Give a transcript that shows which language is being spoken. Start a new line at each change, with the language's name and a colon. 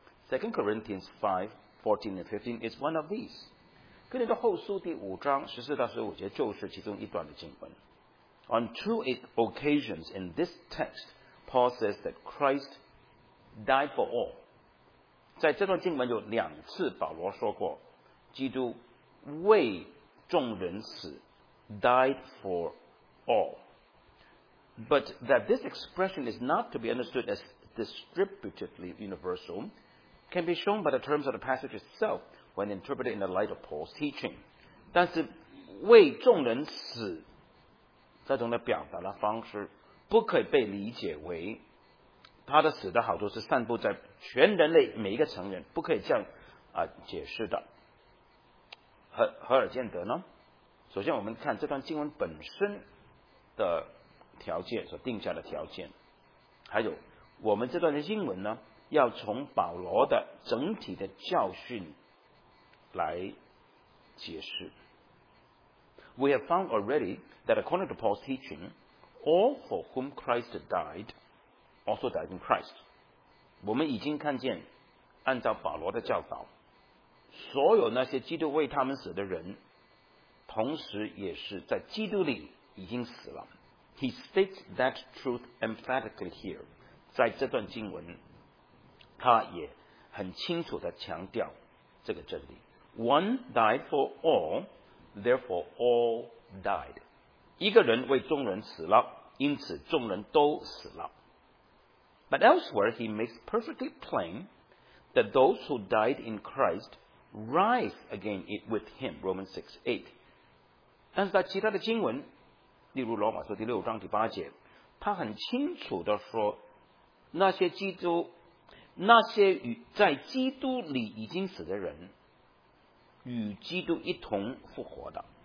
English: 2 Corinthians 5:14 and 15 is one of these.
Chinese: 哥林多后书第五章14-15节就是其中一段的经文。
English: On two occasions in this text, Paul says that Christ died for all.
Chinese: 在这段经文有两次保罗说过基督为众人死
English: died for all. But that this expression is not to be understood as distributively universal can be shown by the terms of the passage itself when interpreted in the light of Paul's teaching.
Chinese: 但是为众人死这种的表达的方式不可以被理解为他的死的好处是散布在全人类每一个成人，不可以这样解释的。何尔见得呢？首先我们看这段经文本身的条件，所定下的条件，还有我们这段的经文呢，要从保罗的整体的教训来解释。
English: We have found already that according to Paul's teaching, all for whom Christ died also died in Christ.
Chinese: 我们已经看见按照保罗的教导，所有那些基督为他们死的人同时也是在基督里已经死了。
English: He states that truth emphatically here.
Chinese: 在这段经文他也很清楚地强调这个真理。
English: One died for all, therefore all died.
Chinese: 一个人为众人死了，因此众人都死了。
English: But elsewhere he makes perfectly plain that those who died in Christ rise again with him, Romans 6:8.
Chinese: 但是在其他的经文例如罗马书第六章第八节，他很清楚地说，那些与在基督里已经死的人，与基督一同复活的。